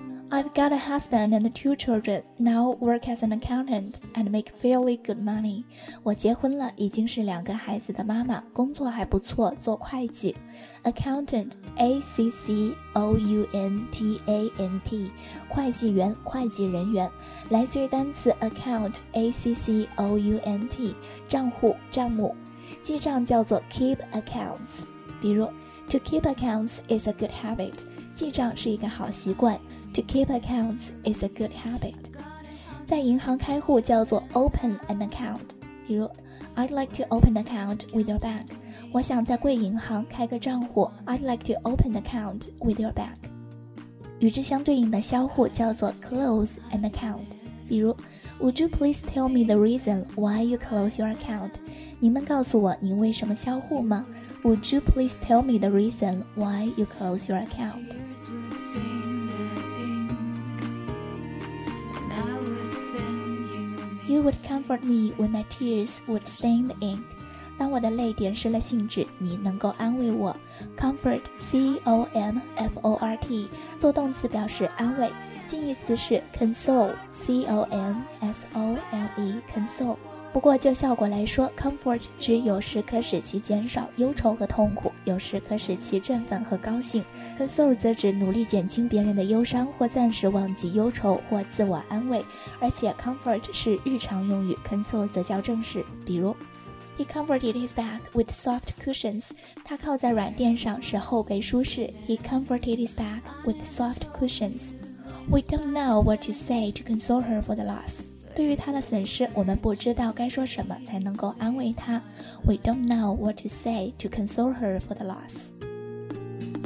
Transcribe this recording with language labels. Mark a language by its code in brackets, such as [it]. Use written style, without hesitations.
[en] I've got a husband and two children. Now work as an accountant and make fairly good money. [zh] 我结婚了，已经是两个孩子的妈妈，工作还不错，做会计。 Accountant, A-C-C-O-U-N-T-A-N-T, 会计员、会计人员，来自于单词 account, A-C-C-O-U-N-T, 账户、账目。记账叫做 keep accounts, 比如 [en] To keep accounts is a good habit, [zh] 记账是一个好习惯。 [en] To keep accounts is a good habit. [zh] 在银行开户叫做 [en] open an account. [zh] 比如 [en] I'd like to open an account with your bank. [zh] 我想在贵银行开个账户。 [en] I'd like to open an account with your bank. [zh] 与之相对应的销户叫做 [en] close an account. 比如 Would you please tell me the reason why you close your account? [zh] 您能告诉我你为什么销户吗？ [en] Would you please tell me the reason why you close your account? You would comfort me when my tears would stain the ink. [zh] 当我的泪点湿了信纸，你能够安慰我。 Comfort, C-O-M-F-O-R-T, 做动词表示安慰。近义词是 console, C-O-N-S-O-L-E, console. 不过就效果来说， comfort 只有时可使其减少忧愁和痛苦，有时可使其振奋和高兴。 Console 则指努力减轻别人的忧伤，或暂时忘记忧愁，或自我安慰。而且 comfort 是日常用语， console 则较正式，比如 [en] He comforted his back with soft cushions. [zh] 他靠在软垫上使后背舒适。 [en] He comforted his back with soft cushions. We don't know what to say to console her for the loss. [zh] 对于他的损失，我们不知道该说什么才能够安慰他。 [en] We don't know what to say to console her for the loss.